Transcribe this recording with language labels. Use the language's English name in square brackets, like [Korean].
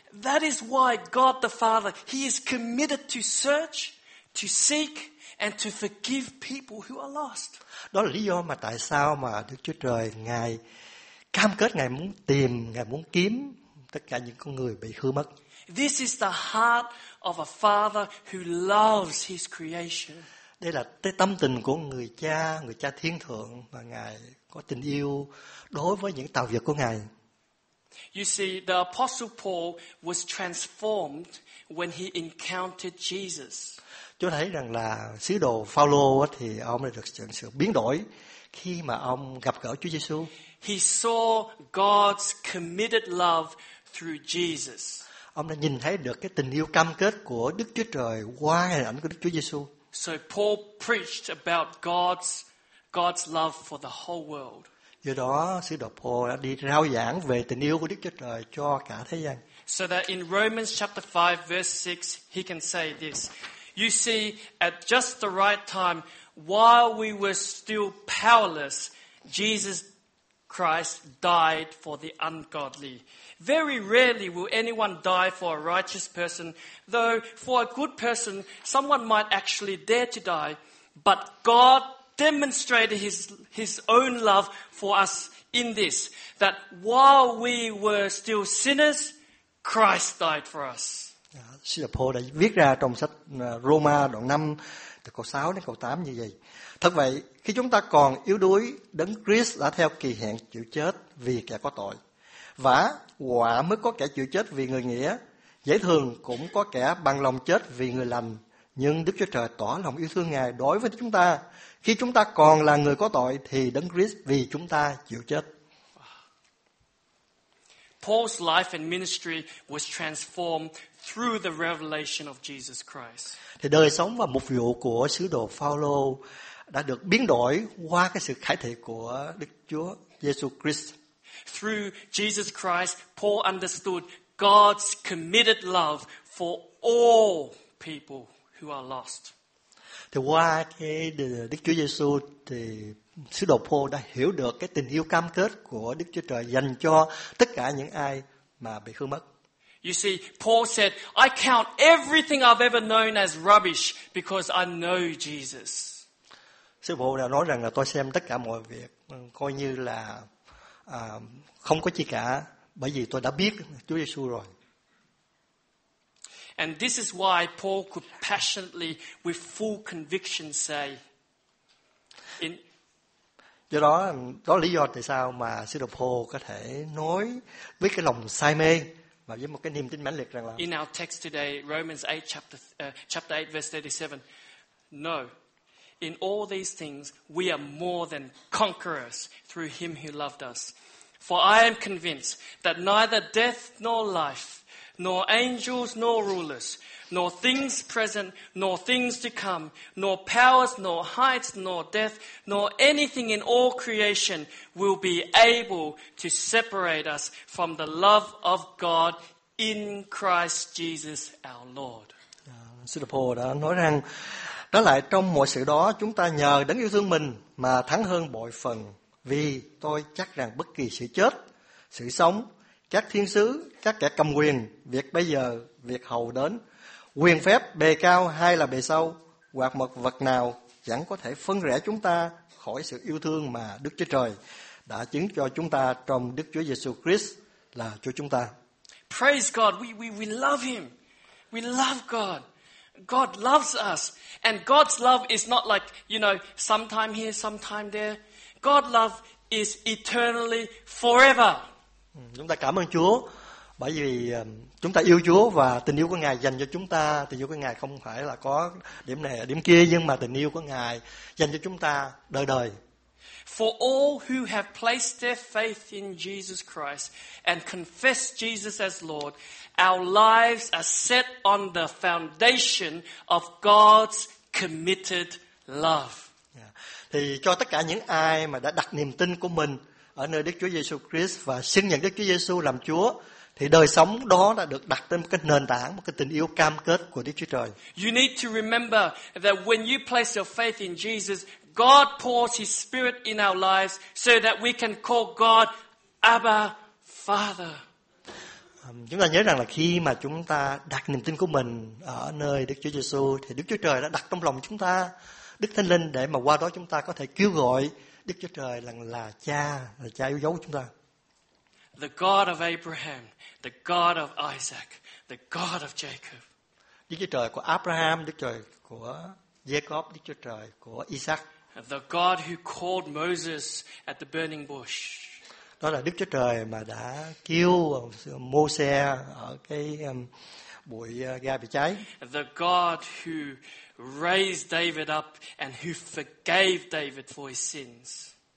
[English] That is why God the Father, he is committed to search, to seek and to forgive people who are lost. [Vietnamese] Đó là lý do mà tại sao mà Đức Chúa Trời ngài cam kết ngài muốn tìm, ngài muốn kiếm tất cả những con người bị hư mất. [English] This is the heart of a father who loves his creation. [Vietnamese] Đây là cái tâm tình của người cha thiên thượng mà ngài có tình yêu đối với những tạo vật của ngài. [English] You see, the apostle Paul was transformed when he encountered Jesus. [Vietnamese] Chúng ta thấy rằng là sứ đồ Phaolô thì ông đã được sự biến đổi khi mà ông gặp gỡ Chúa Giêsu. [English] He saw God's committed love through Jesus. [Vietnamese] Ông đã nhìn thấy được cái tình yêu cam kết của Đức Chúa Trời qua hình ảnh của Đức Chúa Giêsu. [English] So Paul preached about God's love for the whole world. [Vietnamese] Do đó sứ đồ Paul đã đi rao giảng về tình yêu của Đức Chúa Trời cho cả thế gian. [English] So that in Romans chapter 5 verse 6 he can say this. You see, at just the right time, while we were still powerless, Jesus Christ died for the ungodly. Very rarely will anyone die for a righteous person, though for a good person, someone might actually dare to die. But God demonstrated his own love for us in this, that while we were still sinners, Christ died for us. [Vietnamese] Sứ đồ Paul đã viết ra trong sách Roma đoạn 5 từ câu 6 đến câu 8 như vậy. Thật vậy, khi chúng ta còn yếu đuối, Đấng Christ đã theo kỳ hẹn chịu chết vì kẻ có tội. Vả quả mới có kẻ chịu chết vì người nghĩa, dễ thường cũng có kẻ bằng lòng chết vì người lành, Nhưng Đức Chúa Trời tỏ lòng yêu thương Ngài đối với chúng ta. Khi chúng ta còn là người có tội thì Đấng Christ vì chúng ta chịu chết. [English] Paul's life and ministry was transformed through the revelation of Jesus Christ. [Vietnamese] Thì đời sống và mục vụ của sứ đồ Phao-lô đã được biến đổi qua cái sự khải thị của Đức Chúa Giêsu Christ. [English] Through Jesus Christ, Paul understood God's committed love for all people who are lost. [Vietnamese] Thì qua cái Đức Chúa Giêsu thì sứ đồ Paul đã hiểu được cái tình yêu cam kết của Đức Chúa Trời dành cho tất cả những ai mà bị hư mất. [English] You see, Paul said, "I count everything I've ever known as rubbish because I know Jesus." [Vietnamese] Sứ đồ Paul đã nói rằng là tôi xem tất cả mọi việc coi như là không có chi cả bởi vì tôi đã biết Chúa Giêsu rồi. [English] And this is why Paul could passionately, with full conviction, say. [Vietnamese] Do đó lý do tại sao mà sứ đồ Paul có thể nói với cái lòng say mê và với một cái niềm tin mãnh liệt rằng là. [English] In our text today, Romans 8 chapter 8 verse 37. No, in all these things we are more than conquerors through Him who loved us. For I am convinced that neither death nor life, nor angels, nor rulers, nor things present, nor things to come, nor powers, nor heights, nor depth, nor anything in all creation will be able to separate us from the love of God in Christ Jesus our Lord. [Vietnamese] Sư đồ Paul đã nói rằng, đó lại trong mọi sự đó chúng ta nhờ đấng yêu thương mình mà thắng hơn mọi phần, vì tôi chắc rằng bất kỳ sự chết, sự sống, các thiên sứ, các kẻ cầm quyền, việc bây giờ, việc hầu đến, quyền phép bề cao hay là bề sâu, hoặc một vật nào chẳng có thể phân rẽ chúng ta khỏi sự yêu thương mà Đức Chúa Trời đã chứng cho chúng ta trong Đức Chúa Giêsu Christ là Chúa chúng ta. [English] Praise God, we love Him. We love God. God loves us. And God's love is not like, you know, sometime here, sometime there. God's love is eternally forever. [Vietnamese] Chúng ta cảm ơn Chúa bởi vì chúng ta yêu Chúa và tình yêu của Ngài dành cho chúng ta. Tình yêu của Ngài không phải là có điểm này điểm kia, nhưng mà tình yêu của Ngài dành cho chúng ta đời đời. [English] For all who have placed their faith in Jesus Christ and confessed Jesus as Lord, our lives are set on the foundation of God's committed love. [Vietnamese] Thì cho tất cả những ai mà đã đặt niềm tin của mình ở nơi Đức Chúa Giêsu Christ và xin nhận Đức Chúa Giêsu làm Chúa, thì đời sống đó đã được đặt trên một cái nền tảng, một cái tình yêu cam kết của Đức Chúa Trời. [English] You need to remember that when you place your faith in Jesus, God pours His Spirit in our lives so that we can call God Abba Father. [Vietnamese] Chúng ta nhớ rằng là khi mà chúng ta đặt niềm tin của mình ở nơi Đức Chúa Giêsu, thì Đức Chúa Trời đã đặt trong lòng chúng ta Đức Thánh Linh để mà qua đó chúng ta có thể kêu gọi Đức Chúa Trời là cha, là cha yêu dấu chúng ta. [English] The God of Abraham, the God of Isaac, the God of Jacob. [Vietnamese] Đức Chúa Trời của Abraham, Đức Chúa Trời của Jacob, Đức Chúa Trời của Isaac. [English] The God who called Moses at the burning bush. [Vietnamese] Đó là Đức Chúa Trời mà đã kêu Môsê ở cái bụi ga bị cháy. [English] The God who raised David up and who forgave David for his sins.